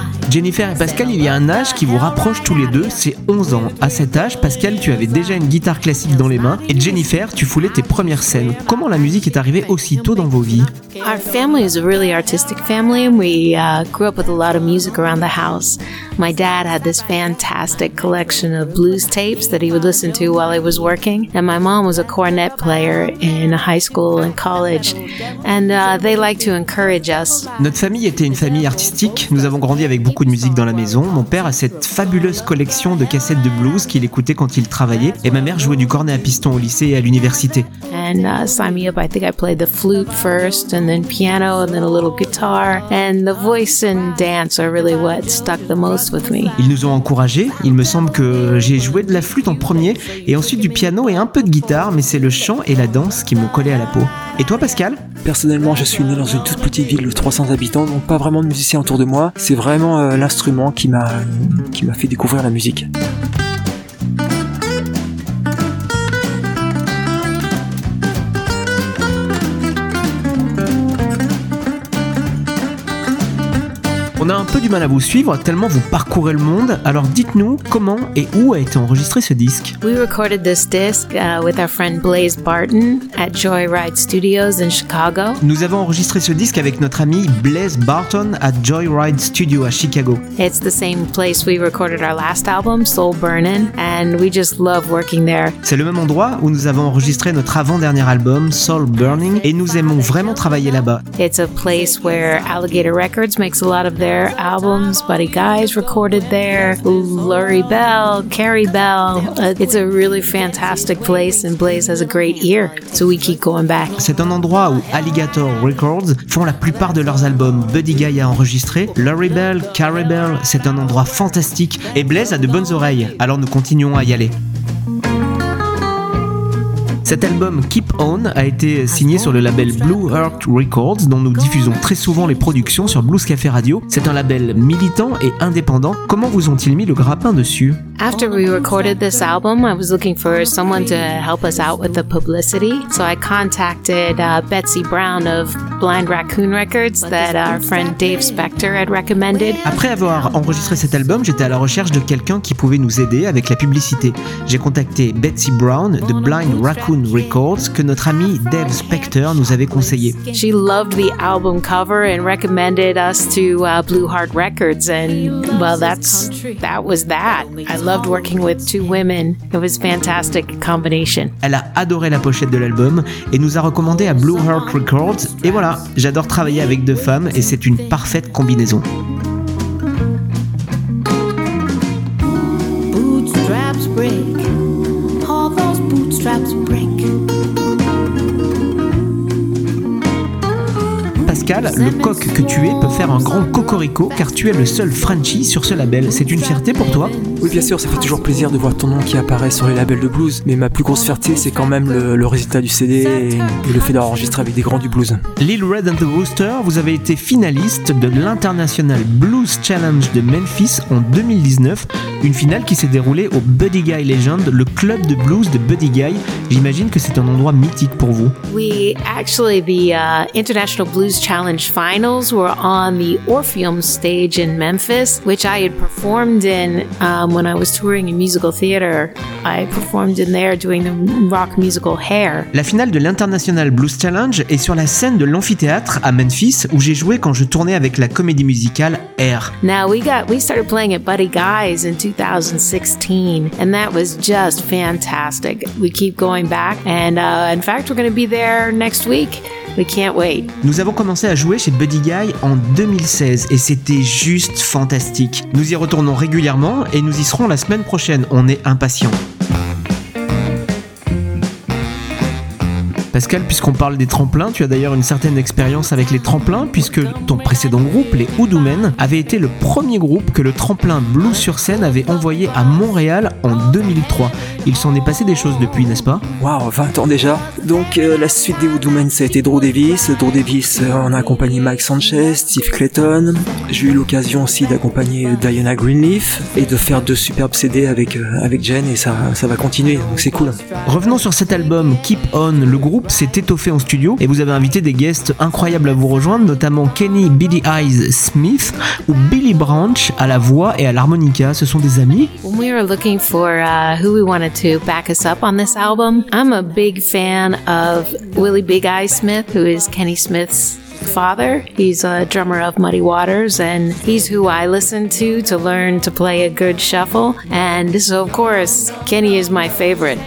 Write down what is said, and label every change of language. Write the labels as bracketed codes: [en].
[fr] Jennifer et Pascal, il y a un âge qui vous rapproche tous les deux, c'est 11 ans. À cet âge, Pascal, tu avais déjà une guitare classique dans les mains et Jennifer, tu foulais tes premières scènes. Comment la musique est arrivée aussi tôt dans vos vies? [en] Our family is a really artistic family. We grew up with a lot of music around the house. My dad had this fantastic collection of blues tapes that he would listen to while he was working. And my mom was a cornet player in high school and college. And they like to encourage us. [fr] Notre famille était une famille artistique. Nous avons grandi avec beaucoup de musique dans la maison. Mon père a cette fabuleuse collection de cassettes de blues qu'il écoutait quand il travaillait. Et ma mère jouait du cornet à piston au lycée et à l'université. [en] And sign me up, I think I played the flute first. And then piano, and then a little guitar, and the voice and dance are really what stuck the most with me. [fr] Ils nous ont encouragés. Il me semble que j'ai joué de la flûte en premier, et ensuite du piano et un peu de guitare. Mais c'est le chant et la danse qui m'ont collé à la peau. Et toi, Pascal ? Personnellement, je suis né dans une toute petite ville de 300 habitants, donc pas vraiment de musiciens autour de moi. C'est vraiment l'instrument qui m'a fait découvrir la musique. On a un peu du mal à vous suivre, tellement vous parcourez le monde. Alors dites-nous comment et où a été enregistré ce disque. [en] We recorded this disc with our friend Blaze Barton at Joyride Studios in Chicago. [fr] Nous avons enregistré ce disque avec notre ami Blaze Barton [en] at [fr] Joyride Studio à Chicago. [en] It's the same place we recorded our last album, Soul Burnin', and we just love working there. [fr] C'est le même endroit où nous avons enregistré notre avant-dernier album, Soul Burnin', et nous aimons vraiment travailler là-bas. [en] It's a place where Alligator Records makes a lot of their albums, Buddy Guy's recorded there, Lurie Bell, Carrie Bell. It's a really fantastic place and Blaze has a great ear, so we keep going back. [fr] C'est un endroit où Alligator Records font la plupart de leurs albums. Buddy Guy a enregistré, Lurie Bell, Carrie Bell, c'est un endroit fantastique et Blaze a de bonnes oreilles, alors nous continuons à y aller. Cet album Keep On a été signé sur le label Blue Heart Records, dont nous diffusons très souvent les productions sur Blues Café Radio. C'est un label militant et indépendant. Comment vous ont-ils mis le grappin dessus? [en] After we recorded this album, I was looking for someone to help us out with the publicity. So I contacted Betsy Brown of Blind Raccoon Records that our friend Dave Spector had recommended. [fr] Après avoir enregistré cet album, j'étais à la recherche de quelqu'un qui pouvait nous aider avec la publicité. J'ai contacté Betsy Brown de Blind Raccoon Records que notre ami Dave Spector nous avait conseillé. [en] She loved the album cover and recommended us to Blue Heart Records and well that was that. I loved working with two women. It was a fantastic combination. [fr] Elle a adoré la pochette de l'album et nous a recommandé à Blue Heart Records. Et voilà, j'adore travailler avec deux femmes et c'est une parfaite combinaison. [en] Bootstraps break. All those bootstraps break. [fr] Pascal, le coq que tu es peut faire un grand cocorico car tu es le seul Frenchie sur ce label. C'est une fierté pour toi? Oui, bien sûr, ça fait toujours plaisir de voir ton nom qui apparaît sur les labels de blues. Mais ma plus grosse fierté, c'est quand même le résultat du CD et le fait d'enregistrer avec des grands du blues. Lil Red and the Rooster, vous avez été finaliste de l'International Blues Challenge de Memphis en 2019. Une finale qui s'est déroulée au Buddy Guy Legend, le club de blues de Buddy Guy. J'imagine que c'est un endroit mythique pour vous. Oui, [en] actually, the International Blues Challenge finals were on the Orpheum stage in Memphis, which I had performed in when I was touring in musical theater, I performed in there doing the rock musical Hair. [fr] La finale de l'International Blues Challenge est sur la scène de l'amphithéâtre à Memphis où j'ai joué quand je tournais avec la comédie musicale Hair. [en] Now we started playing at Buddy Guy's in 2016 and that was just fantastic. We keep going back and in fact we're going to be there next week. We can't wait. [fr] Nous avons commencé à jouer chez Buddy Guy en 2016 et c'était juste fantastique. Nous y retournons régulièrement et nous y serons la semaine prochaine. On est impatients. Pascal, puisqu'on parle des tremplins, tu as d'ailleurs une certaine expérience avec les tremplins, puisque ton précédent groupe, les Hoodoomen, avait été le premier groupe que le tremplin Blues sur scène avait envoyé à Montréal en 2003. Il s'en est passé des choses depuis, n'est-ce pas ? Waouh, 20 ans déjà. Donc, la suite des Hoodoomen, ça a été Drew Davis. Drew Davis en a accompagné Mike Sanchez, Steve Clayton. J'ai eu l'occasion aussi d'accompagner Diana Greenleaf et de faire deux superbes CD avec Jen, et ça va continuer, donc c'est cool. Revenons sur cet album Keep On, le groupe s'est étoffé en studio et vous avez invité des guests incroyables à vous rejoindre, notamment Kenny Billy Eyes Smith ou Billy Branch à la voix et à l'harmonica. Ce sont des amis. [en] When we were looking for who we wanted to back us up on this album, I'm a big fan of Willie Big Eyes Smith, who is Kenny Smith's father. He's a drummer of Muddy Waters and he's who I listen to learn to play a good shuffle, and so of course Kenny is my favorite.